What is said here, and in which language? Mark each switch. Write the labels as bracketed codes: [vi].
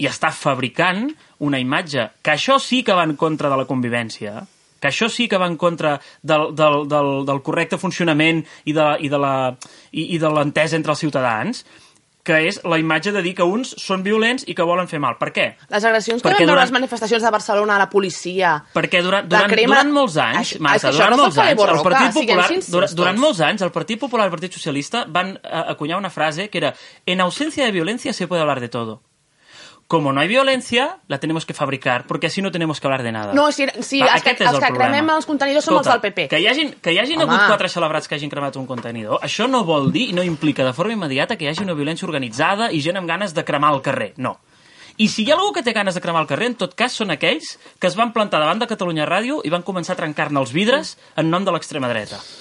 [ca] I està fabricant una imatge que això sí que va en contra de la convivència, que això sí que va en contra del correcte funcionament i de l'entesa entre els ciutadans, que és la imatge de dir que uns són violents i que volen fer mal. Per què? Les agressions que van durant les manifestacions de Barcelona a la policia... Perquè durant molts anys, Marta, durant molts anys, el Partit Popular, durant molts anys, el Partit Popular i el Partit Socialista van acuñar una frase que era: en ausència de violència [es] se puede hablar de todo. como no hay violencia, la tenemos que fabricar, porque así no tenemos que hablar de nada. [ca] No, sí, va, els que cremem els contenidors són els del PP. Que hi hagin hagut quatre celebrats que hagin cremat un contenidor, això no vol dir, no implica de forma immediata que hi hagi una violència organitzada i gent amb ganes de cremar el carrer, no. I si hi ha algú que té ganes de cremar el carrer, en tot cas són aquells que es van plantar davant de Catalunya Ràdio i van començar a trencar-ne els vidres en nom de l'extrema dreta.